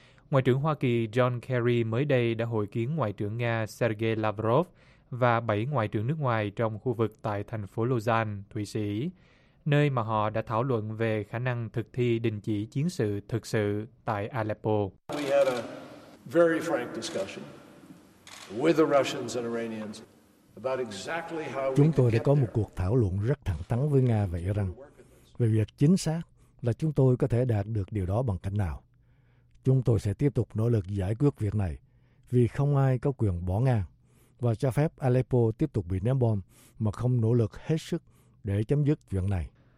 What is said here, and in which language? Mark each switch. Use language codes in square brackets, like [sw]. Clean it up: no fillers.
[vi] Ngoại trưởng Hoa Kỳ John Kerry mới đây đã hội kiến Ngoại trưởng Nga Sergei Lavrov và 7 ngoại trưởng nước ngoài trong khu vực tại thành phố Lausanne, Thụy Sĩ, nơi mà họ đã thảo luận về khả năng thực thi đình chỉ chiến sự thực sự tại Aleppo. [en] We had a very frank discussion with the Russians and Iranians about exactly how we [vi] Chúng tôi đã có một cuộc thảo luận rất thẳng thắn với Nga và Iran về việc chính xác là chúng tôi có thể đạt được điều đó bằng cách nào. Chúng tôi sẽ tiếp tục nỗ lực giải quyết việc này vì không ai có quyền bỏ ngang và cho phép Aleppo tiếp tục bị ném bom mà không nỗ lực hết sức để chấm dứt chuyện này.